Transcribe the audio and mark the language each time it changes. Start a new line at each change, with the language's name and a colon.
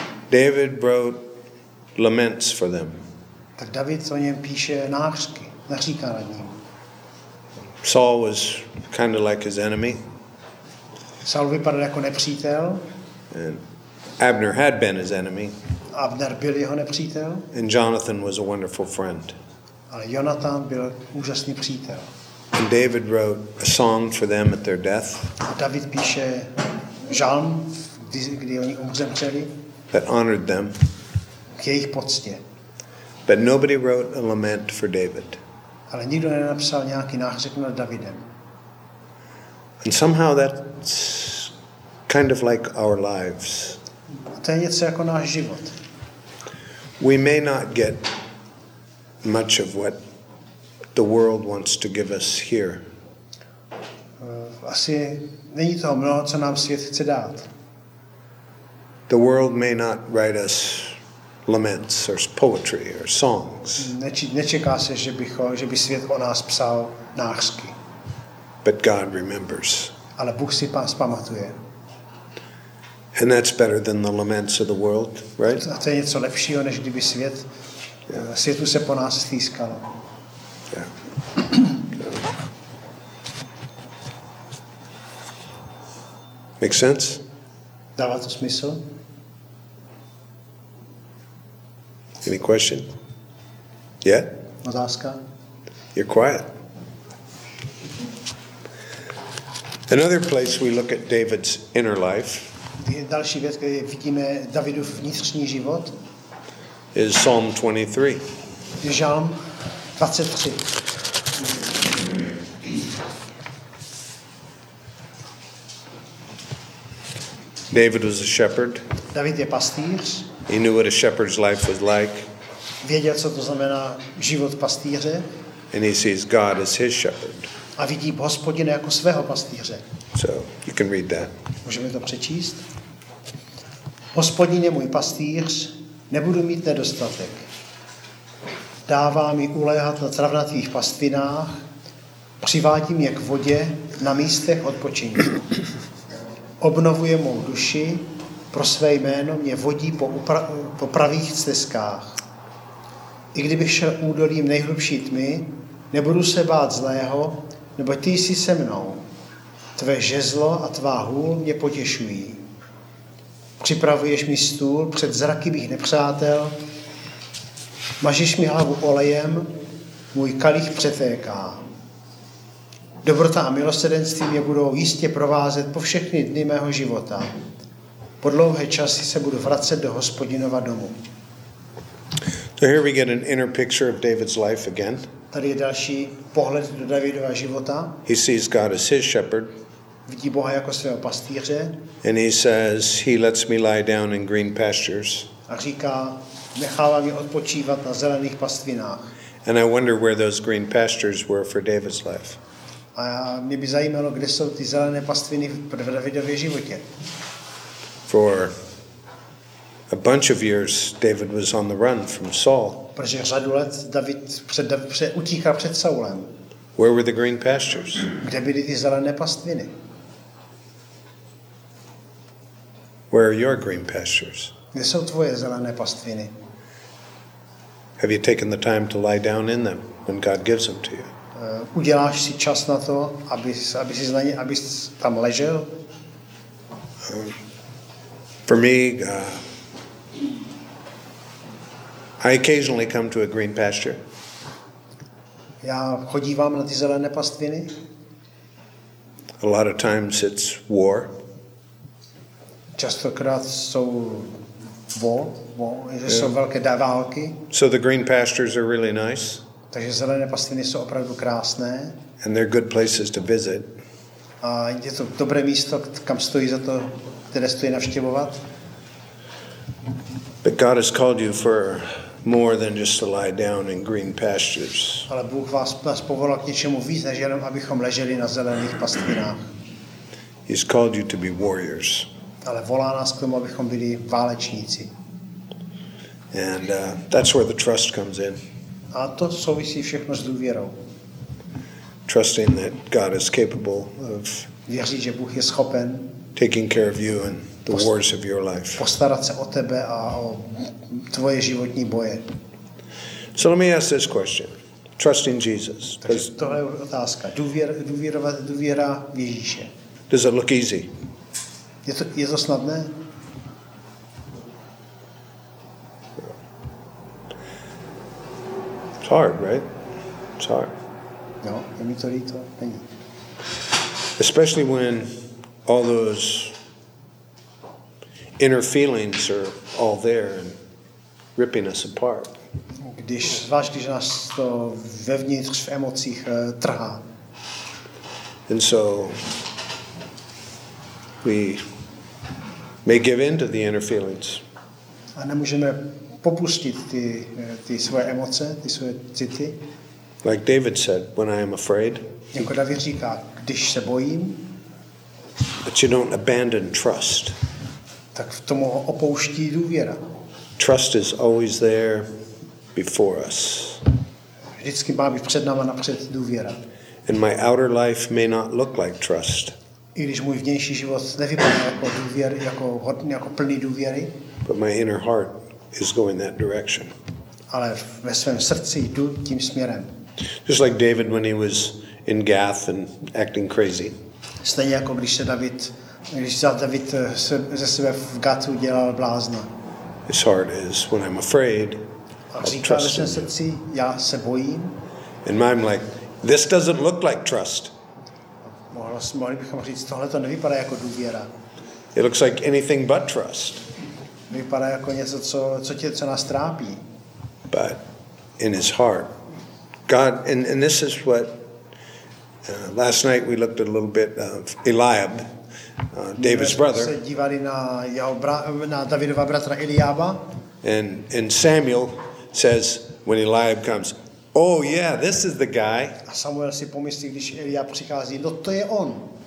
English: David wrote laments for them.
Czech: Tak David o něm píše nářky, naříká nad ním.
English: Saul was kind of like his enemy.
Czech: Saul vypadal jako nepřítel.
English: And Abner had been his enemy.
Czech: Abner byl jeho nepřítel.
English: And Jonathan was a wonderful friend.
Czech: Ale Jonathan byl úžasný přítel.
English: And David wrote a song for them at their death.
Czech: A David píše žalm, kdy oni umřeli.
English: That honored them.
Czech: K jejich poctě.
English: But nobody wrote a lament for David.
Czech: Ale nikdo nenapsal nějaký nářek nad Davidem.
English: And somehow that's kind of like our lives.
Czech: To je něco jako náš život.
English: We may not get much of what the world wants to give us here.
Czech: Asi není to mnoho, co nám svět chce dát.
English: The world may not write us laments or poetry or songs.
Czech: Nečeká se, že by svět o nás psal nářky.
English: But God remembers.
Czech: Ale Bůh si nás pamatuje.
English: And that's better than the laments of the world, right?
Czech: A to je něco lepšího, než kdyby svět, světu se po nás stýskalo.
English: Yeah. Make sense?
Czech: Dává to smysl?
English: Any question? Yeah?
Czech: Otázka?
English: You're quiet. Another place we look at David's inner life.
Czech: Další věc, kde vidíme Davidův vnitřní život.
English: Is Psalm 23.
Czech: Žalm 23.
English: David was a shepherd.
Czech: David je pastýř.
English: He knew what a shepherd's life was like.
Czech: Věděl, co to znamená život pastýře.
English: And he sees God as his shepherd.
Czech: A vidí Hospodina jako svého pastýře.
English: So, you can read that.
Czech: Můžeme to přečíst? Hospodin je můj pastýř, nebudu mít nedostatek. Dává mi uléhat na travnatých pastvinách, přivádí mě k vodě na místech odpočinku. Obnovuje mou duši, pro své jméno mě vodí po pravých cestách. I kdybych šel údolím nejhlubší tmy, nebudu se bát zlého, neboť ty jsi se mnou. Tvé žezlo a tvá hůl mě potěšují. Připravuješ mi stůl před zraky mých nepřátel, mažeš mi hlavu olejem, můj kalich přetéká. Dobrota a milosrdenství mě budou jistě provázet po všechny dny mého života. Po dlouhé časy se budu vracet do Hospodinova domu.
English: So here we get an inner picture of David's life again.
Czech: Tady je další pohled do Davidova života.
English: He sees God as his shepherd.
Czech: Vidí Boha jako svého pastýře.
English: And he says, he lets me lie down in green pastures.
Czech: A říká, nechává mě odpočívat na zelených pastvinách.
English: And I wonder where those green pastures were for David's life.
Czech: A mě by zajímalo, kde jsou ty zelené pastviny v Davidově životě.
English: For a bunch of years David was on the run from Saul.
Czech: Protože řadu let David utíkal před Saulem.
English: Where were the green pastures?
Czech: Kde byly ty zelené pastviny?
English: Where are your green pastures?
Czech: Kde jsou tvoje zelené pastviny?
English: Have you taken the time to lie down in them when God gives them to you?
Czech: Uděláš si čas na to, abys tam ležel?
English: For me, I occasionally come to a green pasture.
Czech: Já chodívám na ty zelené pastviny.
English: A lot of times it's war.
Czech: Častokrát jsou war, jsou velké války.
English: So the green pastures are really nice.
Czech: Takže zelené pastviny jsou opravdu krásné.
English: And they're good places to visit.
Czech: A je to dobré místo, kam stojí za to, které stojí navštěvovat.
English: But God has called you for more than just to lie down in green pastures.
Czech: Ale Bůh nás povolal k něčemu víc, než jenom abychom leželi na zelených pastvinách.
English: He's called you to be warriors.
Czech: Ale volá nás k tomu, abychom byli válečníci.
English: And that's where the trust comes in.
Czech: A to souvisí všechno s důvěrou.
English: Trusting that God is capable of
Czech: věřit, že Bůh je schopen
English: taking care of you and the wars of your life.
Czech: Postarat se o tebe a o tvoje životní boje.
English: So let me ask this question. Trusting Jesus.
Czech: Tohle je otázka. Důvěra v Ježíše.
English: Does it look easy?
Czech: Je to snadné?
English: It's hard, right? It's hard.
Czech: No, je mi to líto. Není.
English: Especially when all those inner feelings are all there and ripping us apart.
Czech: Když nás to vevnitř v emocích trhá.
English: And so we may give in to the inner feelings.
Czech: A nemůžeme popustit ty svoje emoce, ty svoje city.
English: Like David said, when I am afraid.
Czech: Jako David říká, když se bojím.
English: But you don't abandon trust.
Czech: Tak v tomu opouští důvěra.
English: Trust is always there before us.
Czech: Vždycky má být před náma napřed důvěra.
English: And my outer life may not look like trust.
Czech: I když můj vnější život nevypadá jako důvěry, jako plný důvěry.
English: But my inner heart is going that direction.
Czech: Ale ve svém srdci jdu tím směrem.
English: Just like David when he was in Gath and acting crazy.
Czech: Stejně jako když se David ze sebe v Gathu dělal blázna.
English: His heart is when I'm afraid.
Czech: A říká ve svém srdci, já se bojím.
English: And I'm like, this doesn't look like trust.
Czech: Mohli bychom říct, tohle to nevypadá jako důvěra.
English: It looks like anything but trust.
Czech: Vypadá jako něco, co nás trápí.
English: But in his heart, God, and this is what last night we looked at a little bit of Eliab. David's brother.
Czech: Se dívali na jeho na Davidova bratra Eliába.
English: And Samuel says when Eliab comes, "Oh yeah, this is the guy."
Czech: A Samuel si pomyslí, když Eliab přichází, no to je on.